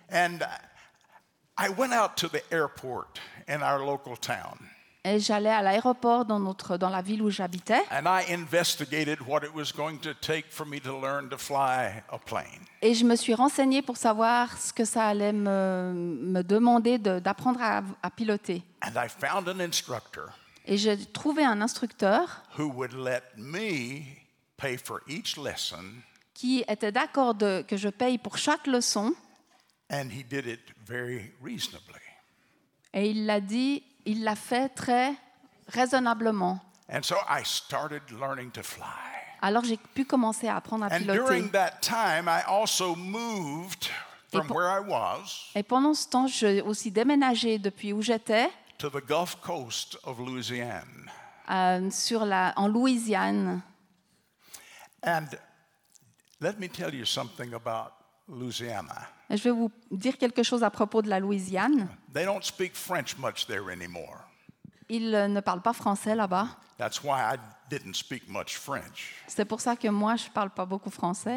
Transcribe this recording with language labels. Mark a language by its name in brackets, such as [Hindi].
[English] And I went out to the airport in our local town. [French] Et j'allais à l'aéroport dans la ville où j'habitais. [English] And I investigated what it was going to take for me to learn to fly a plane. [French] Et je me suis renseigné pour savoir ce que ça allait me demander d'apprendre à piloter. [English] And I found an instructor. [French] Et j'ai trouvé un instructeur [English] who would let me pay for each lesson. [French] Qui était d'accord que je paye pour chaque leçon. [English] And he did it very reasonably. [French] Et il l'a dit. Il l'a fait très raisonnablement. [English] And so I started learning to fly. [French] Alors j'ai pu commencer à apprendre à [English] and [French] piloter. [English] During that time, I also moved from where I was. [French] Et pendant ce temps, j'ai aussi déménagé depuis où j'étais. [English] To the Gulf Coast of Louisiana. [French] En Louisiane. [English] And let me tell you something about Louisiana. [French] Je vais vous dire quelque chose à propos de la Louisiane. [English] They don't speak French much there anymore. [French] Ils ne parlent pas français là-bas. [English] That's why I didn't speak much French. [French] C'est pour ça que moi, je ne parle pas beaucoup français.